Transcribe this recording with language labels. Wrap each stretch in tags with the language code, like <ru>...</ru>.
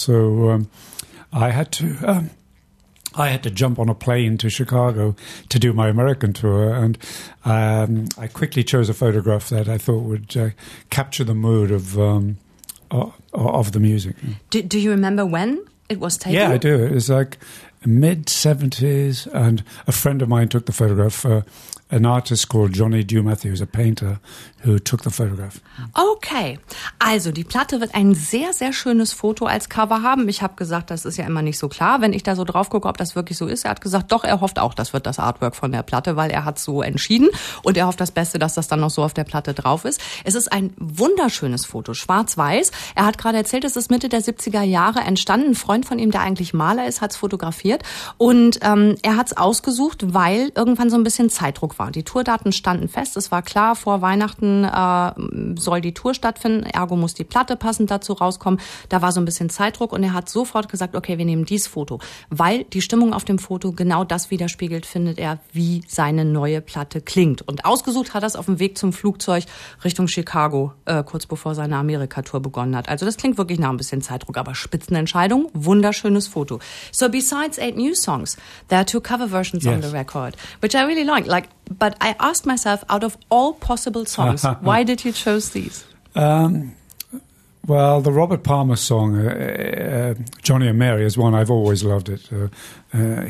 <en>So I had to jump on a plane to Chicago to do my American tour, and I quickly chose a photograph that I thought would capture the mood of the music. Do you remember when it was taken? Yeah, I do. It was like mid-70s, and a friend of mine took the photograph for an artist called Johnny DeMatteo, who's a painter, who took the photograph.</en> <de>Okay, also die Platte wird ein sehr, sehr schönes Foto als Cover haben. Ich habe gesagt, das ist ja immer nicht so klar, wenn ich da so drauf gucke, ob das wirklich so ist. Er hat gesagt, doch, er hofft auch, das wird das Artwork von der Platte, weil er hat so entschieden und er hofft das Beste, dass das dann noch so auf der Platte drauf ist. Es ist ein wunderschönes Foto, schwarz-weiß. Er hat gerade erzählt, es ist Mitte der 70er Jahre entstanden. Ein Freund von ihm, der eigentlich Maler ist, hat es fotografiert und er hat es ausgesucht, weil irgendwann so ein bisschen Zeitdruck war. Die Tourdaten standen fest. Es war klar, vor Weihnachten soll die Tour stattfinden. Ergo muss die Platte passend dazu rauskommen. Da war so ein bisschen Zeitdruck und er hat sofort gesagt, okay, wir nehmen dieses Foto. Weil die Stimmung auf dem Foto genau das widerspiegelt, findet er, wie seine neue Platte klingt. Und ausgesucht hat er es auf dem Weg zum Flugzeug Richtung Chicago, kurz bevor seine Amerika-Tour begonnen hat. Also das klingt wirklich nach ein bisschen Zeitdruck, aber Spitzenentscheidung, wunderschönes Foto.</de> <en>So besides 8 new songs, there are 2 cover versions on the record, which I really like. But I asked myself, out of all possible songs, why did you choose these? Well, the Robert Palmer song, Johnny and Mary, is one I've always loved it.</en>